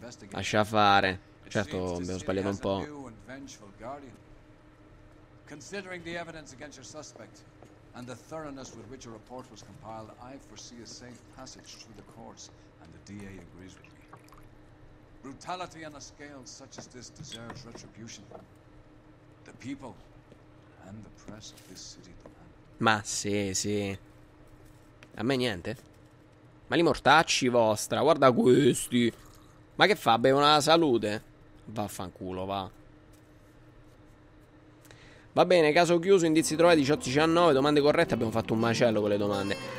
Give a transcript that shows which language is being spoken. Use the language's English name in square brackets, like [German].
[Italian] Lascia fare. Certo, abbiamo sbagliato un po'. [English] And the thoroughness with which a report was compiled, I foresee a safe passage through the courts, and the DA agrees with me. Brutality on a scale such as this deserves retribution. The people and the press of this city demand. [Italian] Ma sì, sì. A me niente. Ma li mortacci vostra, guarda questi. Ma che fa, bevono la salute? Vaffanculo, va. Va bene, caso chiuso, indizi trovati, 18-19, domande corrette, abbiamo fatto un macello con le domande.